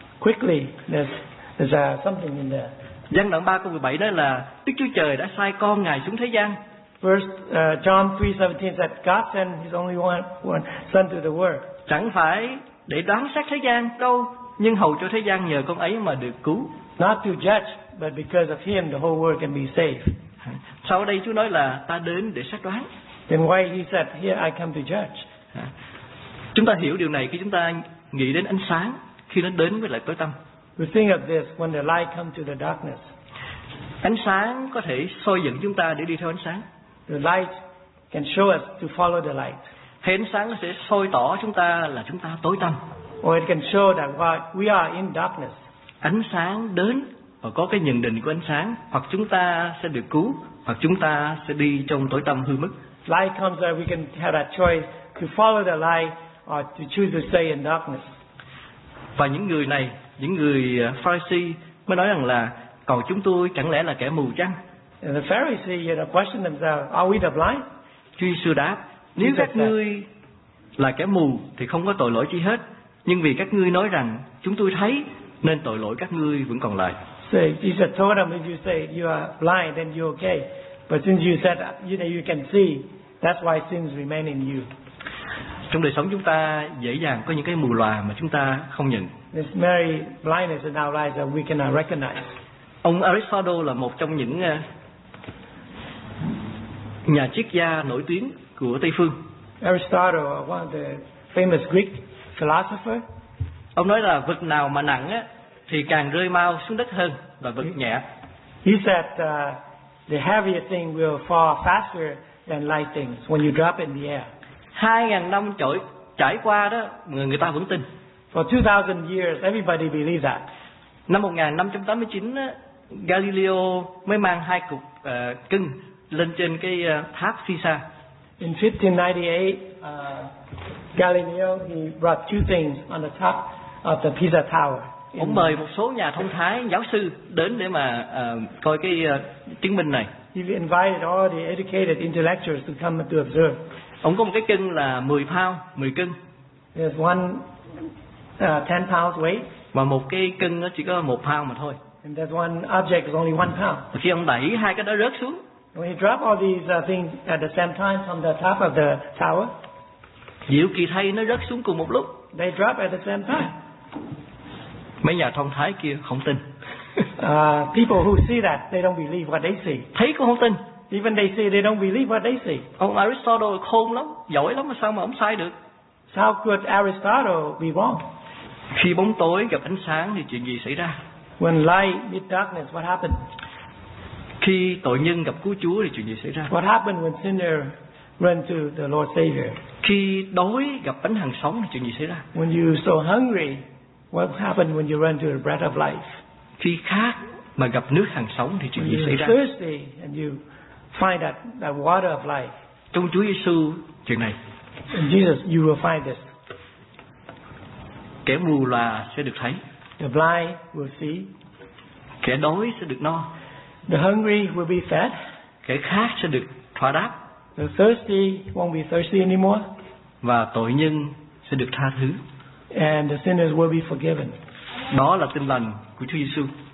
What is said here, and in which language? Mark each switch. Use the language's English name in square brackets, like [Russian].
[English] Quickly, there's something in there. [Vietnamese] Văn đoạn 3 câu 17 đó là Đức Chúa Trời đã sai con Ngài xuống thế gian. [English] First John 3:17 said God sent his only one son to the world. [Vietnamese] Chẳng phải để đoán xét thế gian đâu, nhưng hầu cho thế gian nhờ con ấy mà được cứu. [English] Not to judge, but because of him the whole world can be saved. [Vietnamese] Sau đây Chúa nói là ta đến để xét đoán. [English] Then why he said here I come to judge. [Vietnamese] Chúng ta hiểu điều này khi chúng ta nghĩ đến ánh sáng khi nó đến với lại tối tăm. [English] We think of this when the light comes to the darkness. [Vietnamese] Ánh sáng có thể soi dẫn chúng ta để đi theo ánh sáng. [English] The light can show us to follow the light. [Vietnamese] Thì ánh sáng nó sẽ soi tỏ chúng ta là chúng ta tối tăm. [English] Or it can show that we are in darkness. [Vietnamese] Ánh sáng đến và có cái nhận định của ánh sáng, hoặc chúng ta sẽ được cứu, hoặc chúng ta sẽ đi trong tối tăm hư mất. [English] Light comes that we can have that choice to follow the light or to choose to stay in darkness. [Vietnamese] Và những người này, những người Pharisee mới nói rằng là còn chúng tôi chẳng lẽ là kẻ mù chăng? [English] And the Pharisees had questioned themselves, are we the blind? [Vietnamese] Chúa Giêsu đáp, nếu các ngươi là kẻ mù thì không có tội lỗi chi hết, nhưng vì các ngươi nói rằng chúng tôi thấy nên tội lỗi các ngươi vẫn còn lại. [English] So Jesus told them, if you say you are blind, then you're okay. But since you said you know you can see, that's why sins remain in you. [Vietnamese] Trong đời sống chúng ta dễ dàng có những cái mù lòa mà chúng ta không nhận. [English] This very blindness in our lives that we cannot recognize. [Vietnamese] Ông Aristotle là một trong những nhà triết gia nổi tiếng của Tây phương. [English] Aristotle, one of the famous Greek philosophers. [Vietnamese] Ông nói là vật nào mà nặng á thì càng rơi mau xuống đất hơn, và vật nhẹ. [English] He said the heavier thing will fall faster than light things when you drop it in the air. [Vietnamese] 2000 năm trải qua đó, người ta vẫn tin. [English] For 2000 years everybody believed that. [Vietnamese] Năm 1589 á, Galileo mới mang hai cục cưng lên trên cái tháp Pisa. [English] In 1598, Galileo he brought two things on the top of the Pisa Tower. [Vietnamese] Ông mời một số nhà thông thái, giáo sư đến để mà coi cái chứng minh này. [English] He invited all the educated intellectuals to come to observe. [Vietnamese] Ông có một cái cân là 10 pound, 10 cân. [English] There's one 10 pounds weight. [Vietnamese] Và một cái cân nó chỉ có 1 pound mà thôi. [English] And that one object is only 1 pound. [Vietnamese] Và khi ông đẩy hai cái đó rớt xuống. [English] When he dropped all these things at the same time from the top of the tower. [Vietnamese] Diệu kỳ thay nó rớt xuống cùng một lúc. [English] They drop at the same time. [Vietnamese] Mấy nhà thông thái kia không tin. [English] People who see that, they don't believe what they see. [Vietnamese] Thấy cũng không tin. [English] Even they say they don't believe what they say. [Vietnamese] Ông Aristotle khôn lắm, giỏi lắm, mà sao mà ông sai được? [English] How could Aristotle be wrong? [Vietnamese] Khi bóng tối gặp ánh sáng thì chuyện gì xảy ra? [English] When light meet darkness, what happened? [Vietnamese] Khi tội nhân gặp cứu Chúa thì chuyện gì xảy ra? [English] What happened when sinner run to the Lord Savior? [Vietnamese] Khi đói gặp bánh hàng sống thì chuyện gì xảy ra? [English] When you so hungry, what happened when you run to the bread of life? [Vietnamese] Khi khát mà gặp nước hàng sống thì chuyện [English] when [Vietnamese] gì xảy ra? [English] Thirsty and you find that water of life. [Vietnamese] Trong Chúa Giêsu chuyện này. [English] In Jesus, you will find this. [Vietnamese] Kẻ mù lòa sẽ được thấy. [English] The blind will see. [Vietnamese] Kẻ đói sẽ được no. [English] The hungry will be fed. [Vietnamese] Kẻ khát sẽ được thỏa đáp. [English] The thirsty won't be thirsty anymore. [Vietnamese] Và tội nhân sẽ được tha thứ. [English] And the sinners will be forgiven. [Vietnamese] Đó là tin lành của Chúa Giêsu.